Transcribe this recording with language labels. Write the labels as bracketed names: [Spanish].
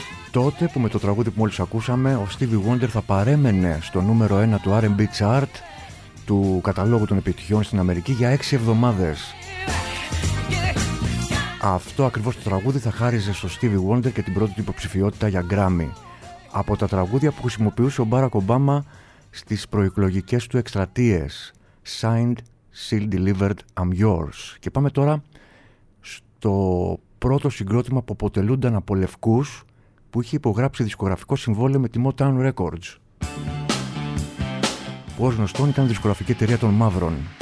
[Greek] Τότε που με το τραγούδι που μόλις ακούσαμε, ο Stevie Wonder θα παρέμενε στο νούμερο 1 του R&B chart του καταλόγου των επιτυχιών στην Αμερική για 6 εβδομάδες. Αυτό ακριβώς το τραγούδι θα χάριζε στο Stevie Wonder και την πρώτη του υποψηφιότητα για Grammy. Από τα τραγούδια που χρησιμοποιούσε ο Μπάρακ Ομπάμα στις προεκλογικές του εκστρατείες. [English] Signed, sealed, delivered, I'm yours. [Greek] Και πάμε τώρα στο πρώτο συγκρότημα που αποτελούνταν από λευκούς που είχε υπογράψει δισκογραφικό συμβόλαιο με τη Motown Records. Που ως γνωστόν ήταν δισκογραφική εταιρεία των μαύρων.